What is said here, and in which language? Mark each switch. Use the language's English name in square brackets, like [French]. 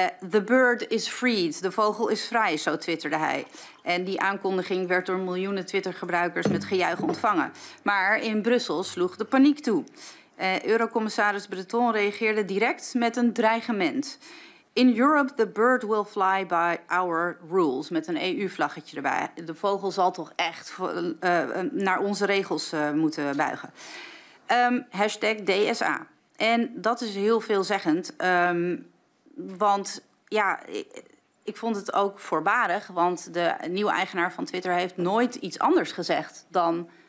[English] The bird is freed, [Dutch] de vogel is vrij, zo twitterde hij. En die aankondiging werd door miljoenen Twitter-gebruikers met gejuich ontvangen. Maar in Brussel sloeg de paniek toe. Eurocommissaris Breton reageerde direct met een dreigement. [English] In Europe, the bird will fly by our rules. [Dutch] Met een EU-vlaggetje erbij. De vogel zal toch echt naar onze regels moeten buigen. Hashtag DSA. En dat is heel veelzeggend. Want ja, ik vond het ook voorbarig. Want de nieuwe eigenaar van Twitter heeft nooit iets anders gezegd dan...